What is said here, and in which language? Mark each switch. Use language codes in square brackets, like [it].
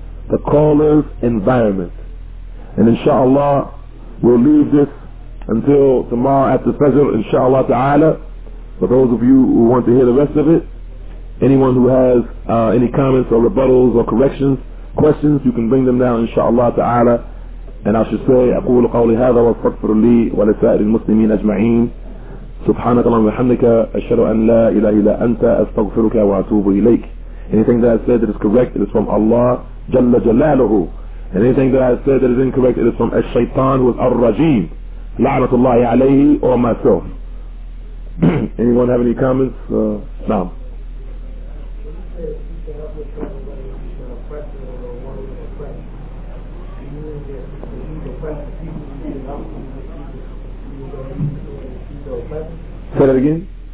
[en] The caller's environment. And inshallah, we'll leave this until tomorrow after Fajr, inshallah ta'ala. For those of you who want to hear the rest of it, anyone who has any comments or rebuttals or corrections, questions, you can bring them down inshallah ta'ala. And I should say, [ar] أقول قولي هذا واستغفر لي ولسائر المسلمين أجمعين. سبحانك اللهم وبحمدك أشهد أن لا إله إلا أنت أستغفرك وأتوب إليك. [en] Anything that I said that is correct, it is from Allah جل جلاله. And anything that I said that is incorrect, it is from الشيطان who is الرجيم. [ar] لعنة الله عليه [en] or myself. Anyone have any comments? [ar] نعم. [en] Say that again.